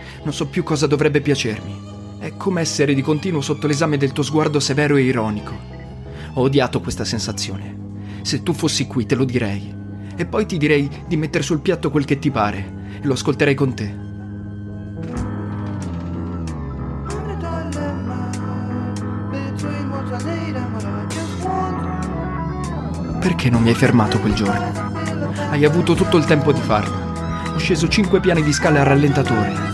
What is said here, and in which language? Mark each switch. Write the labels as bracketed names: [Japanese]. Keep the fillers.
[Italian] Non so più cosa dovrebbe piacermi. È come essere di continuo sotto l'esame del tuo sguardo severo e ironico. Ho odiato questa sensazione. Se tu fossi qui te lo direi. E poi ti direi di mettere sul piatto quel che ti pare e lo ascolterei con te. [English] I'm a dilemma between what I need and what I just want. [Italian] Perché non mi hai fermato quel giorno? Hai avuto tutto il tempo di farlo. Ho sceso cinque piani di scale a rallentatore.